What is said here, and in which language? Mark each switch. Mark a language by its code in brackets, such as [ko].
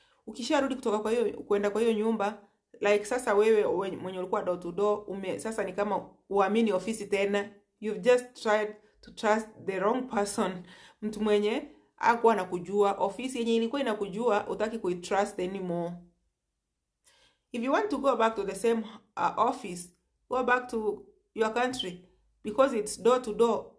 [sw] Ukisharudi kutoka kwa hiyo kuenda kwa hiyo nyumba, like sasa wewe mwenye ulikuwa [en] door to door, [sw] sasa ni kama uamini ofisi tena. [en] You've just tried to trust the wrong person. [sw] Mtu mwenye hakuwa na kujua. Ofisi yenye ilikuwa inakujua, utaki kuitrust anymore. [en] If you want to go back to the same office, go back to your country. Because it's door to door.